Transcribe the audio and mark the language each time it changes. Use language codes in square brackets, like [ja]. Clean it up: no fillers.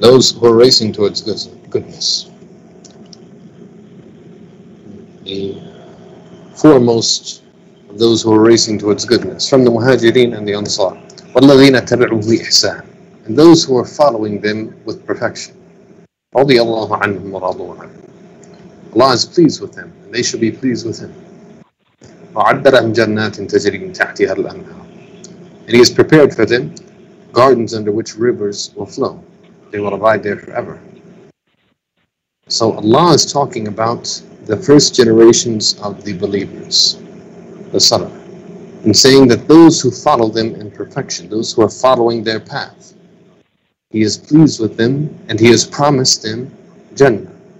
[en] Those who are racing towards goodness. The foremost of those who are racing towards goodness from the Muhajirin and the Ansar. [ar] وَالَّذِينَ تَبِعُوا بِإِحْسَانٍ. [en] And those who are following them with perfection. [ar] رضي الله عنهم ورضوا عنهم. [en] Allah is pleased with them and they should be pleased with him. [ar] وعد لهم جنات تجري من تحتها الأنهار. [en] And he has prepared for them gardens under which rivers will flow. They will abide there forever. So Allah is talking about the first generations of the believers, the Salaf, and saying that those who follow them in perfection, those who are following their path, He is pleased with them and He has promised them Jannah.